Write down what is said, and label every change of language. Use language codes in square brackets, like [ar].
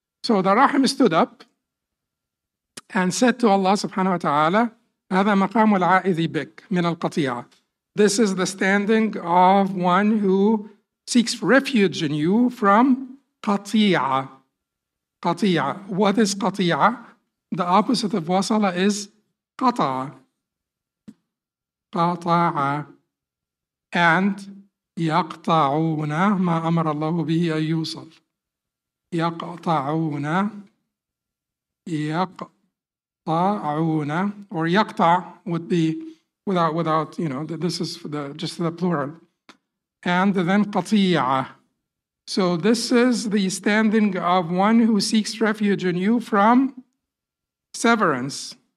[en] So the Rahim stood up and said to Allah subhanahu wa ta'ala, [ar] هذا مقام العائذ بك من القطيعة. [en] This is the standing of one who seeks refuge in you from قطيعة. [ar] قطيعة. [en] What is قطيعة? The opposite of وصلة is قطع. [ar] قطع. And يقطعون ما أمر الله به أن يوصل. يقطعون. يقطع. [en] Or yaqta would be without, you know, this is just the plural. And then qati'a. So this is the standing of one who seeks refuge in you from severance.